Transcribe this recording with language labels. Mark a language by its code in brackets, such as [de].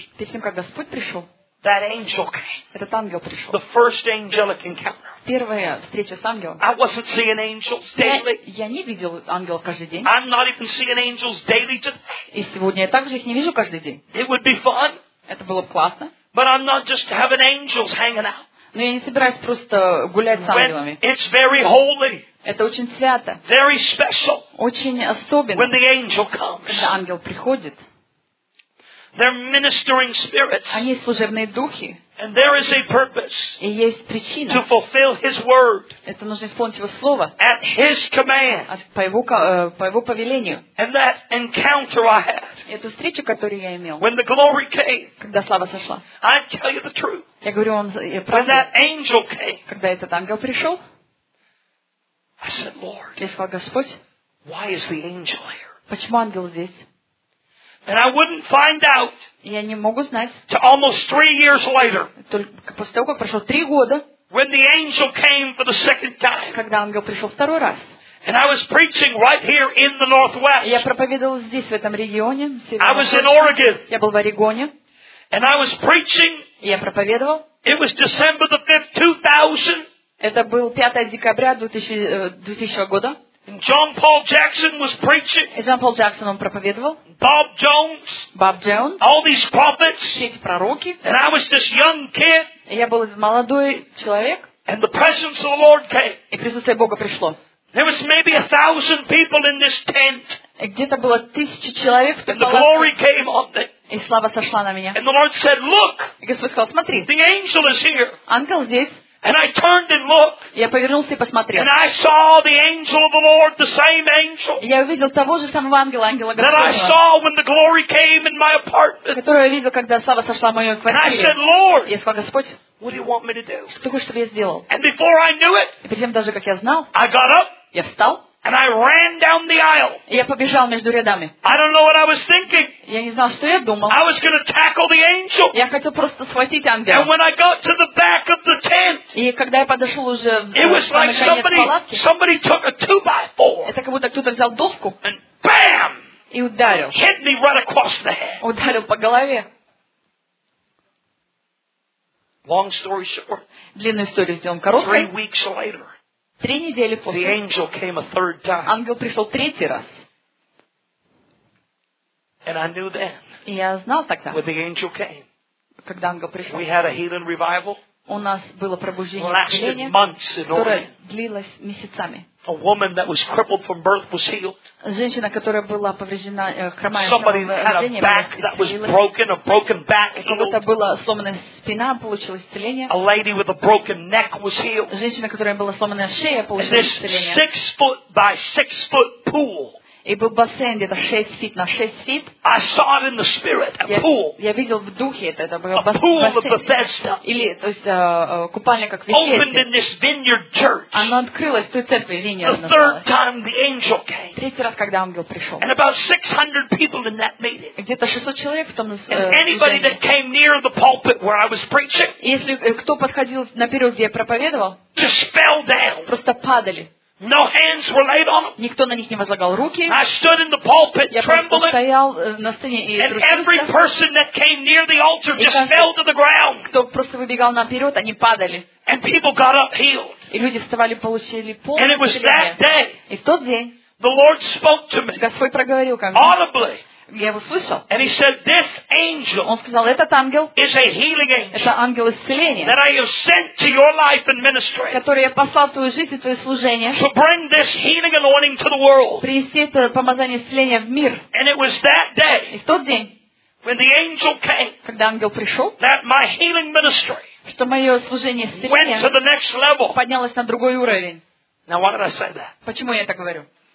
[ru] Перед тем, как Господь пришел. [en] That angel came. [ru] Этот ангел пришел. [en] The first angelic encounter. [ru] Первая встреча с ангелом. [en] I wasn't seeing angels daily. [ru] Я не видел ангелов каждый день. [en] I'm not even seeing angels daily today. [ru] И сегодня я также их не вижу каждый день. [en] It would be fun. [ru] Это было бы классно. [en] But I'm not just having angels hanging out. [ru] Но я не собираюсь просто гулять с ангелами. [en] It's very holy. [ru] Это очень свято. [en] Very special. [ru] Очень особенно. [en] When the angel comes. [ru] Когда ангел приходит. [en] They're ministering spirits. [ru] Они служебные духи. [en] And there is a purpose. [ru] И есть причина. [en] To fulfill his word. [ru] Это нужно исполнить его слово. [en] At his command. [ru] По его повелению. [en] And that encounter I had. [ru] Эту встречу, которую я имел. [en] When the glory came. [ru] Когда слава сошла. [en] I tell you the truth. [ru] Я говорю вам правду. [en] When that angel came. [ru] Когда этот ангел пришел. [en] I said, Lord. [ru] Я сказал, Господь. [en] Why is the angel here? [ru] Почему ангел здесь? [en] And I wouldn't find out. [ru] Я не могу знать. [en] To almost 3 years later. [ru] Только после того, как прошло 3 года. [en] When the angel came for the second time. [ru] Когда ангел пришел второй раз. [en] And I was preaching right here in the Northwest. [ru] Я проповедовал здесь в этом регионе. [en] I was in Oregon. [ru] Я был в Орегоне. [en] And I was preaching. [ru] Я проповедовал. [en] It was December the 5th, 2000. [ru] Это был 5 декабря 2000 года. [en] And John Paul Jackson was preaching. [ru] И Джон Пол Джексон он проповедовал. [en] Bob Jones. [ru] Bob Jones. [en] All these prophets. [ru] Все эти пророки. [en] And I was this young kid. [ru] И я был молодой человек. [en] And the presence of the Lord came. [ru] И присутствие Бога пришло. [en] There was maybe 1,000 people in this tent. [ru] И где-то было 1,000 человек в этой палатке. [en] And the glory came on them. [ru] И слава сошла на меня. [en] And the Lord said, Look. [ru] И Господь сказал, смотри. [en] The angel is here. [ru] Ангел здесь. [en] And I turned and looked. [ru] Я повернулся и посмотрел. [en] And I saw the angel of the Lord, the same angel. [ru] Я увидел того же самого ангела, ангела Господня. [en] That I saw when the glory came in my apartment. [ru] Которого я видел, когда слава сошла в мою квартиру. [en] And I said, Lord. [ru] Я сказал, Господь. [en] What do you want me to do? [ru] Что ты хочешь, чтобы я сделал? [en] And before I knew it, [ru] и перед тем, даже как я знал, [en] I got up, [ru] я встал, [en] and I ran down the aisle. [ru] И я побежал между рядами. [en] I don't know what I was thinking. [ru] Я не знал, что я думал. [en] I was going to tackle the angel. [ru] Я хотел просто схватить ангела. [en] And when I got to the back of the tent, [ru] и когда я подошел уже в [en] it was like somebody took a 2x4. [ru] Это как будто кто-то взял доску. [en] And bam! [ru] И ударил. [en] Hit me right across the head. [ru] Ударил по голове. [en] Long story short. [ru] Длинную историю сделаем короткой. [en] 3 weeks later. [ru] 3 недели после. [en] The angel came a third time. [ru] Ангел пришел третий раз. [en] And I knew then. [ru] И я знал тогда. [en] When the angel came. [ru] Когда ангел пришел. [en] We had a healing revival. [ru] У нас было пробуждение исцеления, которое длилось месяцами. [en] A woman that was crippled from birth was healed. [ru] Женщина, которая была повреждена, хромая, [en] somebody had a back that was broken, a broken back healed. [ru] У кого-то была сломанная спина, получила исцеление. [en] A lady with a broken neck was healed. [ru] Женщина, которая была сломанная шея, получила [en] this [ru] исцеление. [en] 6-foot by 6-foot pool. [ru] И был бассейн где-то [en] 6 feet by 6 feet. I saw it in the spirit, a pool. [ru] Я видел в духе это был бассейн. Или то есть купальня как Вифлеем. [en] Opened in this vineyard church. [ru] Она открылась в той церкви Виньерд. [en] The third time the angel came. [ru] Третий раз когда ангел пришел. [en] And about 600 people in that meeting. [ru] Где-то 600 человек в том собрании. [en] And anybody that came near the pulpit where I was preaching. [ru] Если кто подходил наперед, где я проповедовал. [en] Just fell down. [ru] Просто падали. [en] No hands were laid on them. [ru] Никто на них не возлагал руки. [en] I stood in the pulpit, trembling. [ru] Я стоял на сцене и трусился. [en] And every person that came near the altar just fell to the ground. [ru] Кто просто выбегал наперед, они падали. [en] And people got up healed. [ru] И люди вставали, получили полное исцеление. [en] And it was that day. [ru] И в тот день. [en] The Lord spoke to me. [ru] Господь проговорил ко мне. [en] Audibly. [ru] Я его слышал. [en] And he said, "This angel [ru] он сказал, этот ангел [en] is a healing angel, [ru] это ангел исцеления, [en] that I have sent to your life and ministry, [ru] который я послал в твою жизнь и твое служение, [en] to bring this healing anointing to the world, [ru] принести это помазание исцеления в мир." [en] And it was that day, [ru] и в тот день, [en] when the angel came, [ru] когда ангел пришел, [en] that my healing ministry, [ru] что мое служение исцеления, [en] went to the next level, [ru] поднялось на другой уровень. [en] Now, why did I say that? [ru] Почему я это говорю?